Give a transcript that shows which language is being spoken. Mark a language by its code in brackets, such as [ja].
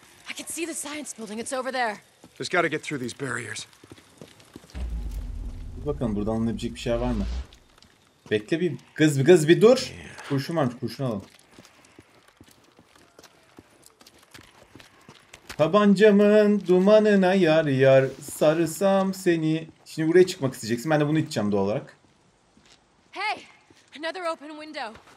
[en] I can see the science building. It's over there. Just gotta get through these barriers. [tr] Dur bakalım, buradan alınabilecek bir şey var mı? Bekle bir kız, bir kız bir dur. Kurşun varmış, kurşun alalım. Tabancamın dumanına yar yar sarsam seni. Şimdi buraya çıkmak isteyeceksin. Ben de bunu içeceğim doğal olarak. [en] Hey, another open window.